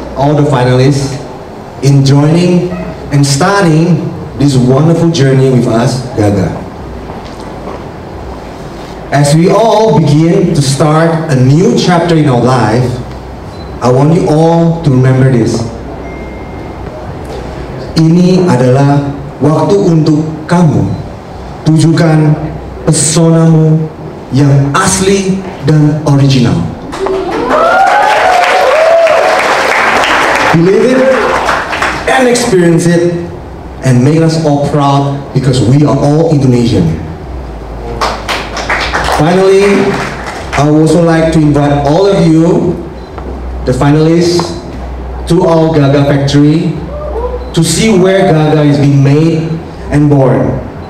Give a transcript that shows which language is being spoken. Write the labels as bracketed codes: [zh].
[en] all the finalists in joining and starting this wonderful journey with us, Gaga. As we all begin to start a new chapter in our life, I want you all to remember this. [id] Ini adalah waktu untuk kamu tunjukkan pesonamu yang asli dan original. [en] Believe it and experience it and make us all proud because we are all Indonesian. Finally, I would also like to invite all of you, the finalists, to our Gaga Factory to see where Gaga is being made and born.